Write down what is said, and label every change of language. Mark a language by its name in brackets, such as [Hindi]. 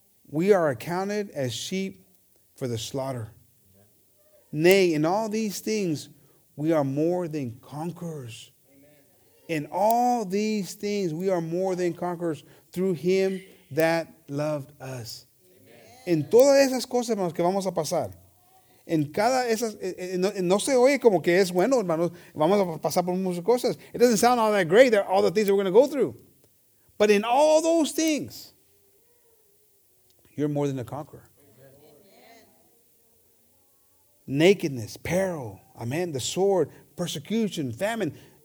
[English] We are accounted as sheep for the slaughter. Amen. Nay, in all these things, we are more than conquerors. Amen. In all these things, we are more than conquerors through him that loved us. [Spanish] Amen. En todas esas cosas, hermanos, que vamos a pasar. En cada esas, no se oye como que es bueno, hermanos. Vamos a pasar por muchas cosas. [English] It doesn't sound all that great, all the things that we're going to go through. But in all those things, you're more than a conqueror. Amen. Nakedness, peril, amen, the sword, persecution, famine.